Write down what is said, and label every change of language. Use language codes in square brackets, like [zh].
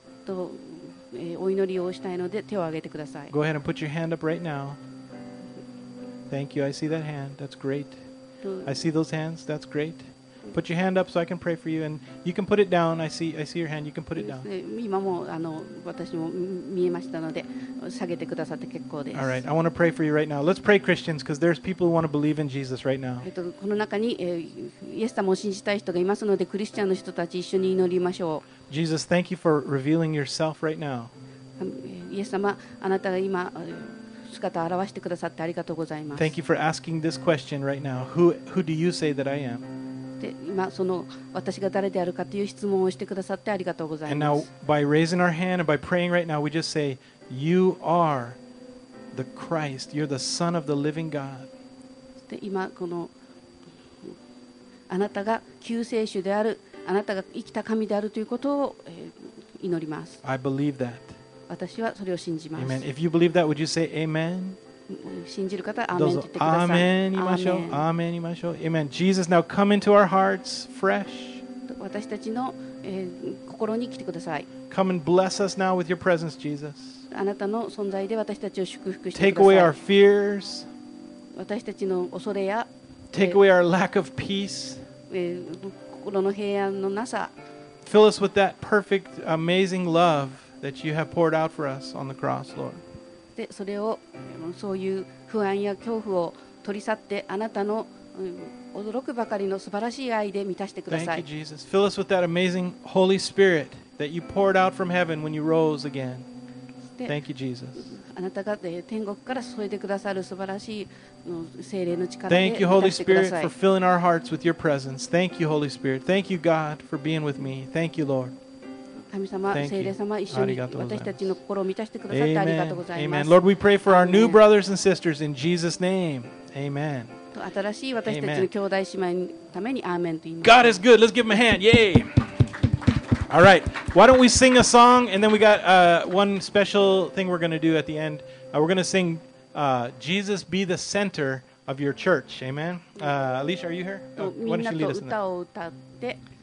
[ja] と、お祈りをしたいので手を挙げてください [en] Go ahead and put your hand up right now Thank you, I see that hand, that's great I see those hands, that's great Put your hand up so I can pray for you And you can put it down, I see your hand, you can put it down [ja] 今も私も見えましたので下げてくださって結構です [en] All right, I want to pray for you right now Let's pray Christians because there's people who want to believe in Jesus right now [ja] この中にイエス様を信じたい人がいますのでクリスチャンの人たち一緒に祈りましょう [en] Jesus, thank you for revealing yourself right now [ja] イエス様、あなたが今姿を現してくださってありがとうございます [en] Thank you for asking this question right now Who do you say that I am? [ja] 今その私が誰であるかという質問をしてくださってありがとうございます。 [en] And now, by raising our hand and by praying right now, we just say, You are the Christ. You're the Son of the Living God. [ja] で今このあなたが救世主である、あなたが生きた神であるということを祈ります。 [en] I believe that. [ja] 私はそれを信じます。 [en] Amen. If you believe that, would you say Amen? [ja] 信じる方、アーメンって言ってください。アーメン言いましょう。アーメン言いましょう。アーメン。 [en] Jesus, now come into our hearts fresh. [ja] 私たちの、心に来てください。 [en] Come and bless us now with your presence, Jesus. [ja] あなたの存在で私たちを祝福してください。 [en] Take away our fears. [ja] 私たちの恐れや。 [en] Take away our lack of peace. [ja] 心の平安のなさ。 [en] Fill us with that perfect, amazing love that you have poured out for us on the cross, Lord. [ja] でそれをそういう不安や恐怖を取り去ってあなたの、驚くばかりの素晴らしい愛で満たしてください。 [en] Thank you, Jesus. Fill us with that amazing Holy Spirit that you poured out from heaven when you rose again. Thank you, Jesus. [ja] あなたが、天国から注いでくださる素晴らしい聖霊の力で満たしてください。 [en] Holy Spirit, for filling our hearts with your presence. Thank you, Holy Spirit. Thank you, God, for being with me. Thank you, Lord. [ja] 神様、聖霊様、一緒に私たちの心を満たしてくださってありがとうございます。 [en] Lord, we pray for our new brothers and sisters in Jesus' name. Amen. [ja] 新しい私たちの兄弟姉妹のためにアーメンと言います。 [en] God is good. Let's give him a hand. Yay! All right. Why don't we sing a song? And then we got one special thing we're going to do at the end. We're going to sing Jesus Be the Center of Your Church. Amen. Alicia, are you here? Why don't you lead us in that?